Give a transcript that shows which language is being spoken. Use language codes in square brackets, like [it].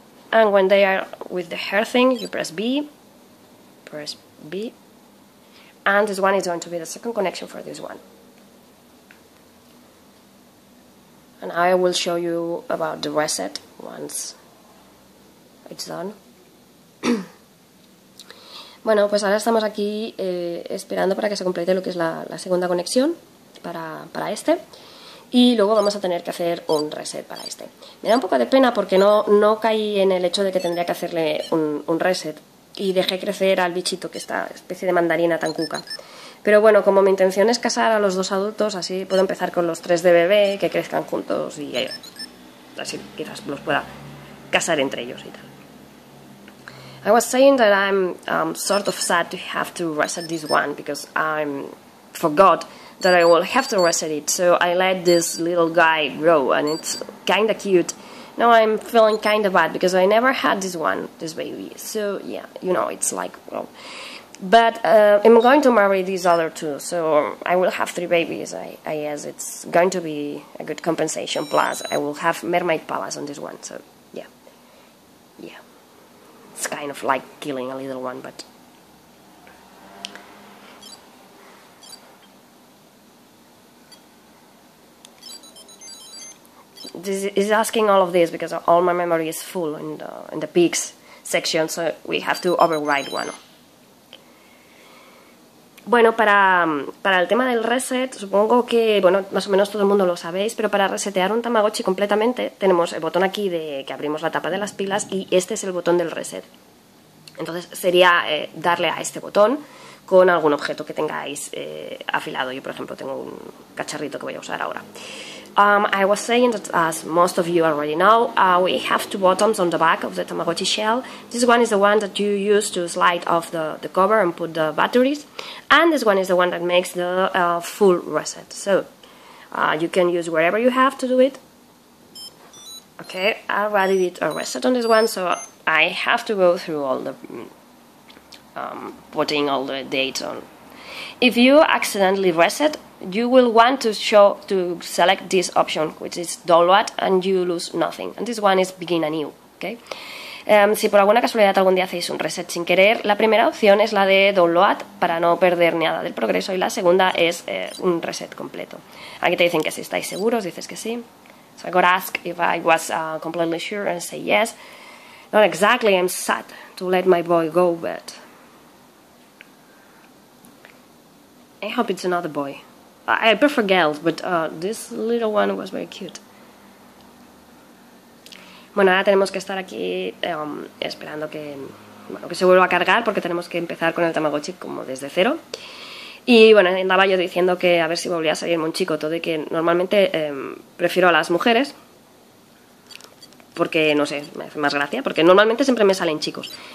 [en] And when they are with the hair thing, you press B, press B. And this one is going to be the second connection for this one. And I will show you about the reset once it's done. [es] Bueno, pues ahora estamos aquí esperando para que se complete lo que es la segunda conexión para este. Y luego vamos a tener que hacer un reset para este. Me da un poco de pena porque no caí en el hecho de que tendría que hacerle un reset. Y dejé crecer al bichito, que esta especie de mandarina tan cuca. Pero bueno, como mi intención es casar a los dos adultos, así puedo empezar con los tres de bebé, que crezcan juntos y así quizás los pueda casar entre ellos y tal. [en] I was saying that I'm sort of sad to have to reset this one because I forgot that I will have to reset it. So I let this little guy grow and it's kind of cute. Now I'm feeling kind of bad because I never had this one, this baby. So yeah, you know, it's like, well. But I'm going to marry these other two, so I will have three babies. I guess it's going to be a good compensation. Plus, I will have mermaid palace on this one. So yeah. Yeah. It's kind of like killing a little one, but this is asking all of this because all my memory is full in the peaks section, so we have to override one. [es] Bueno, para el tema del reset, supongo que, bueno, más o menos todo el mundo lo sabéis, pero para resetear un Tamagotchi completamente tenemos el botón aquí de que abrimos la tapa de las pilas y este es el botón del reset. Entonces sería darle a este botón con algún objeto que tengáis afilado. Yo, por ejemplo, tengo un cacharrito que voy a usar ahora. [en] I was saying that, as most of you already know, we have two buttons on the back of the Tamagotchi shell. This one is the one that you use to slide off the cover and put the batteries. And this one is the one that makes the full reset. So, you can use whatever you have to do it. Okay, I already did a reset on this one, so I have to go through all the putting all the dates on. If you accidentally reset, you will want to select this option, which is download, and you lose nothing. And this one is begin anew. Okay. [es] Si por alguna casualidad algún día hacéis un reset sin querer, la primera opción es la de download para no perder nada del progreso y la segunda es un reset completo. Aquí te dicen que si estáis seguros, dices que sí. [en] So I got asked if I was completely sure and say yes. Not exactly. I'm sad to let my boy go, but I hope it's another boy. I prefer girls, but this little one was very cute. [es] Bueno, ahora tenemos que estar aquí esperando que, bueno, que se vuelva a cargar porque tenemos que empezar con el Tamagotchi como desde cero. Y bueno, andaba yo diciendo que a ver si volvía a salirme un chico, todo y que normalmente prefiero a las mujeres porque, no sé, me hace más gracia, porque normalmente siempre me salen chicos.